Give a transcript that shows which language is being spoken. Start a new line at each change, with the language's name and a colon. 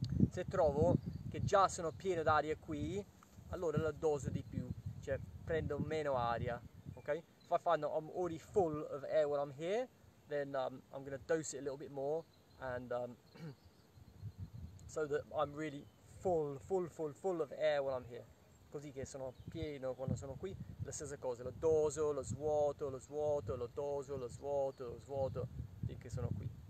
Italian: Se trovo che già sono pieno d'aria qui, allora la doso di più, cioè prendo meno aria, ok?
English: If I find that I'm already full of air when I'm here, then I'm going to dose it a little bit more, and so that I'm really full of air when I'm here.
Italian: Così che sono pieno quando sono qui, la stessa cosa, lo doso, lo svuoto, lo doso, lo svuoto, finché sono qui.